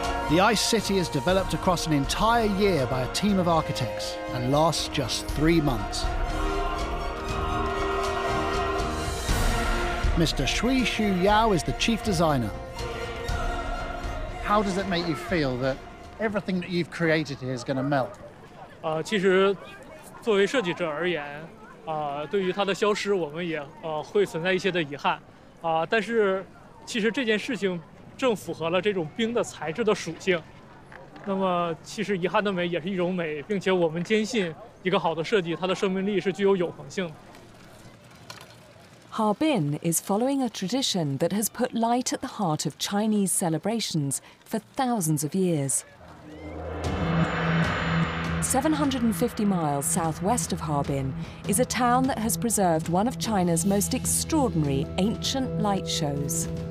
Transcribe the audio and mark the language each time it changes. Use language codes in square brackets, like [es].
[en] The Ice City is developed across an entire year by a team of architects and lasts just 3 months. Mr. Shui Shu Yao is the chief designer. How does it make you feel that everything that you've created here is going to melt? [zh] 其实作为设计者而言，对于它的消失，我们也会存在一些的遗憾，但是其实这件事情正符合了这种冰的材质的属性。那么其实遗憾的美也是一种美，并且我们坚信一个好的设计，它的生命力是具有永恒性的。 [en] Harbin is following a tradition that has put light at the heart of Chinese celebrations for thousands of years. 750 miles southwest of Harbin is a town that has preserved one of China's most extraordinary ancient light shows.